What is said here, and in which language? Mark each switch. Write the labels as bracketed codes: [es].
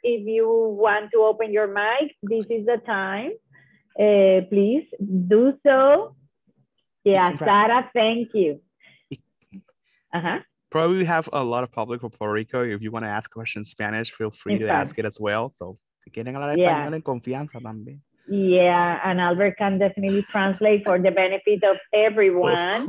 [en] If you want to open your mic, this is the time. Please do so. Yeah, Sara, thank you. Probably we have a lot of public for Puerto Rico. If you want to ask questions in Spanish, feel free to ask it as well. So, [es] quieren hablar español en confianza también. [en] Yeah, and Albert can definitely translate for the benefit of everyone.